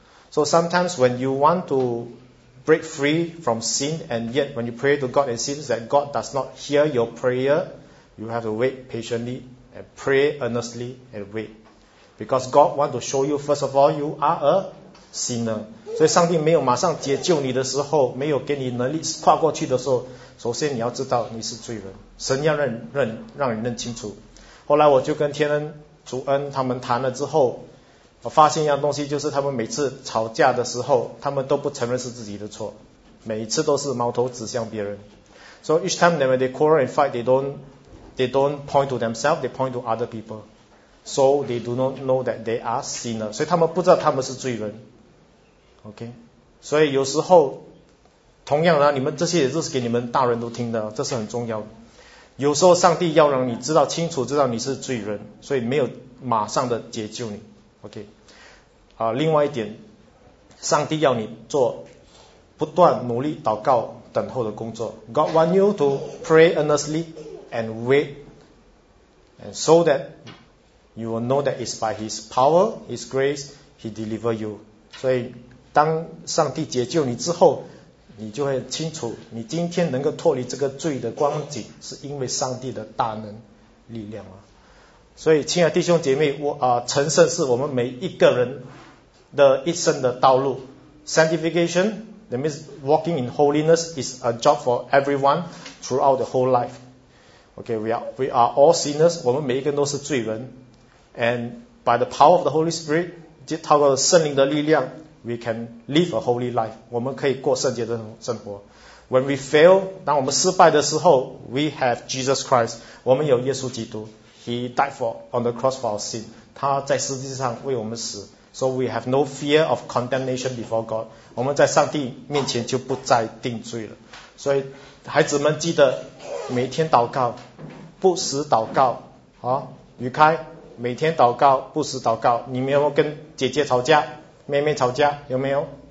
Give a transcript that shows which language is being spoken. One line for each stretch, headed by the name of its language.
English: So sometimes when you want to break free from sin, and yet when you pray to God, it seems that God does not hear your prayer, you have to wait patiently and pray earnestly and wait. Because God want to show you, first of all, you are a sinner.
Chinese: 所以上帝没有马上解救你的时候，没有给你能力跨过去的时候，首先你要知道你是罪人，神要让你认清楚。后来我就跟天恩、主恩他们谈了之后，我发现一样东西，就是他们每次吵架的时候，他们都不承认是自己的错，每一次都是矛头指向别人。
English: So each time when they quarrel and fight, they don't point to themselves, they point to other people. So they do not know that they are sinner.
Chinese: 所以他们不知道他们是罪人。OK， 所以有时候，同样呢，你们这些也都是给你们大人都听的，这是很重要的。有时候上帝要让你知道清楚，知道你是罪人，所以没有马上的解救你。 OK， 啊，另外一点，上帝要你做不断努力祷告等候的工作。
English: God want you to pray earnestly and wait, and so that you will know that it's by His power, His grace, He deliver you.
Chinese: 所以，当上帝解救你之后，你就会清楚，你今天能够脱离这个罪的光景，是因为上帝的大能力量啊。所以亲爱弟兄姐妹，我啊、成圣是我们每一个人的一生的道路。
English: Sanctification, that means walking in holiness is a job for everyone throughout the whole life. Okay, we are all sinners,
Chinese: 我们每一个人都是罪人。
English: And by the power of the Holy Spirit,
Chinese: 透过圣灵的力量，
English: we can live a holy life.
Chinese: 我们可以过圣洁的生活。
English: When we fail,
Chinese: 当我们失败的时候，
English: we have Jesus Christ,
Chinese: 我们有耶稣基督。
English: He died for on the cross for our sin.
Chinese: 他在十字上为我们死。
English: So we have no fear of condemnation before God.
Chinese: 我们在上帝面前就不再定罪了。所以孩子们记得每天祷告，不时祷告。啊，雨开，每天祷告，不时祷告。你没有跟姐姐吵架，妹妹吵架，有没有？